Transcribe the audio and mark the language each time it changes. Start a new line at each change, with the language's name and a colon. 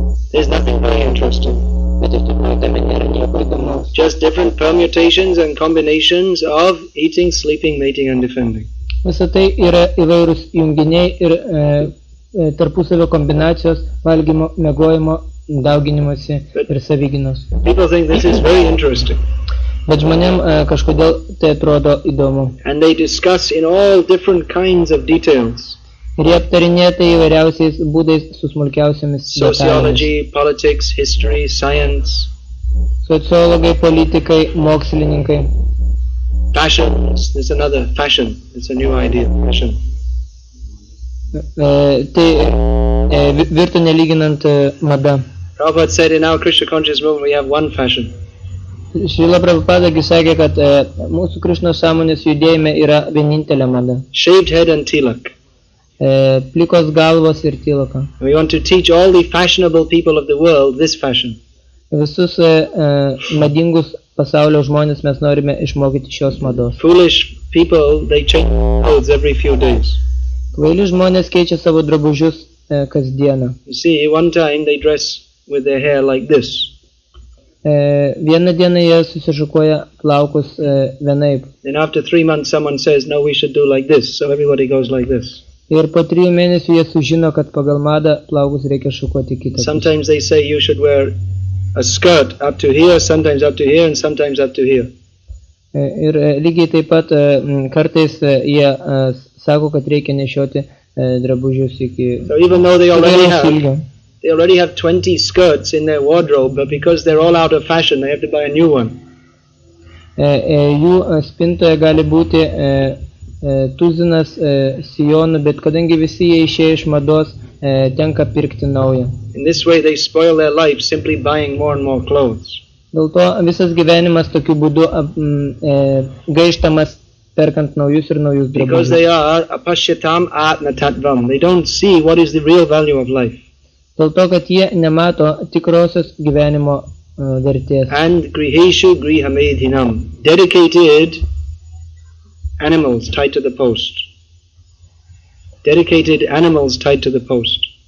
English: there's nothing very interesting. Just different permutations and combinations of eating, sleeping, mating and defending.
Lithuanian: Visa tai yra įvairūs junginiai ir tarpusavio kombinacijos valgymo, mėgojimo, dauginimosi ir savyginos.
English: People think this is very interesting.
Lithuanian: Bet žmonėm kažkodėl tai atrodo įdomu.
English: And they discuss in all different kinds of details.
Lithuanian: Ir jie aptarinėja tai įvairiausiais būdais su smulkiausiamis detalėmis.
English: Sociology, politics, history, science.
Lithuanian: Sociologai, politikai, mokslininkai.
English: Fashion, there's another fashion. It's a new idea, fashion.
Lithuanian: Tai virto nelyginant mada.
English: Prabhupada said in our Krishna conscious movement we have one fashion.
Lithuanian: Srila Prabhupada sakė, kad mūsų Krishna sąmonės judėjime yra vienintelė mada.
English: Shaved head and tilak.
Lithuanian: Plikos galvos ir tilaka.
English: We want to teach all the fashionable people of the world this fashion.
Lithuanian: Visus madingus pasaulio žmonės mes norime išmokyti šios mados.
English: Foolish people, they change clothes every few days.
Lithuanian: Kvaili žmonės keičia savo drabužius kasdieną.
English: You see, one time they dress with their hair like this.
Lithuanian: Vieną dieną jie susižukuoja plaukus vienaip.
English: Then after 3 months someone says, no, we should do like this, so everybody goes like this.
Lithuanian: Ir po 3 mėnesių jie sužino, kad pagal madą plaukus reikia šukuoti kitą.
English: Sometimes they say you should wear a skirt up to here, sometimes up to here and sometimes up to here.
Lithuanian: Ir lygiai taip pat kartais jie sako, kad reikia nešioti drabužius iki.
English: So even though they already have 20 skirts in their wardrobe, but because they're all out of fashion, they have to buy a new one.
Lithuanian: Jų spintoje gali būti tuzinas sijonų, bet kadangi visi jie išėjo iš mados, tenka pirkti naują.
English: In this way they spoil their life simply buying more and more clothes.
Lithuanian: Dėl to visas gyvenimas tokiu būdu gaištamas serkant naujus ir naujus drabužius.
English: Because they are
Sanskrit: apashyatam atmatattvam.
English: They don't see what is the real value of life.
Lithuanian: Dėl to, kad jie nemato tikrosios gyvenimo vertės.
Sanskrit: And griheshu grihamedhinam.
English: Dedicated animals tied to the post. Dedicated animals tied to the post.